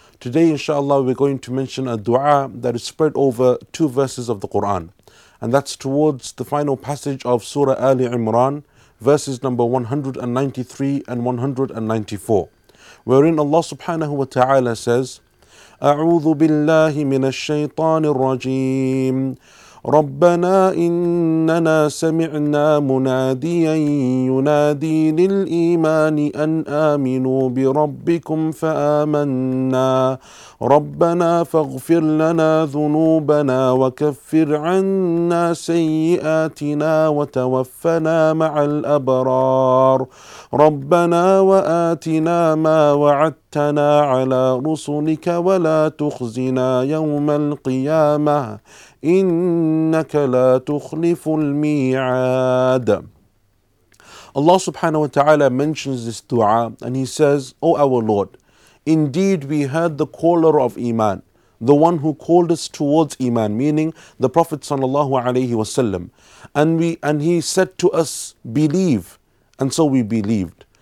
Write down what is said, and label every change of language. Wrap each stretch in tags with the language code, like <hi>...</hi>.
<en>Today, inshallah, we're going to mention a dua that is spread over two verses of the Quran. And that's towards the final passage of Surah Ali Imran, verses number 193 and 194, wherein Allah subhanahu wa ta'ala says,</en> <ar>أعوذ بالله من الشيطان الرجيم ربنا إننا سمعنا مناديا ينادي للإيمان أن آمنوا بربكم فآمنا ربنا فاغفر لنا ذنوبنا وكفر عنا سيئاتنا وتوفنا مع الأبرار ربنا وآتنا ما وعدتنا على رسلك ولا تخزنا يوم القيامة إِنَّكَ لَا تُخْلِفُ الْمِيعَادَ.</ar> <en>Allah subhanahu wa ta'ala mentions this dua and he says, O our Lord, indeed we heard the caller of Iman, the one who called us towards Iman, meaning the Prophet sallallahu alayhi wa sallam, and he said to us, believe, and so we believed.</en>